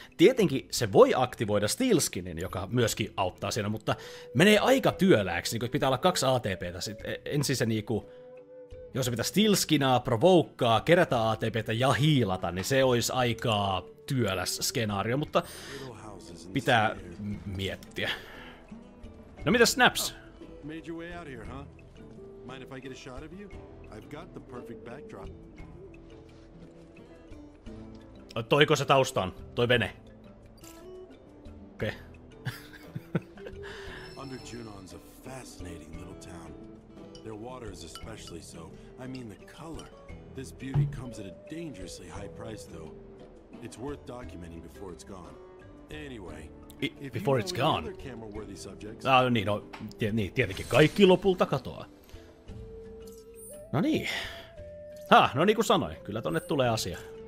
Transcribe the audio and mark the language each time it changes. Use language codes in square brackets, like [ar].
[fi] Tietenkin se voi aktivoida Steel Skinin, joka myöskin auttaa siinä, mutta menee aika työlääksi. Niinku pitää olla 2 ATP:tä sitten. Ensin se niinku... Jos se pitää stilskinaa, provokkaa, kerätä ATP:tä ja hiilata, niin se olisi aika työläs skenaario, mutta pitää miettiä. No mitä Snaps? [en] Oh, made your way out here, huh? Mind if I get a shot of you? I've got the perfect backdrop. [fi] Toiko se taustan? Toi vene. Okei. [en] Okay. Under Junon's a fascinating little town. Their water is especially so. I mean the color. This beauty comes at a dangerously high price though. It's worth documenting before it's gone. Anyway, before it's gone. Camera-worthy subjects. [fi] Ah, niin, no, niin, tietenkin kaikki lopulta katoaa. No niin. Ha, no niin kuin sanoin, kyllä tonne tulee asia.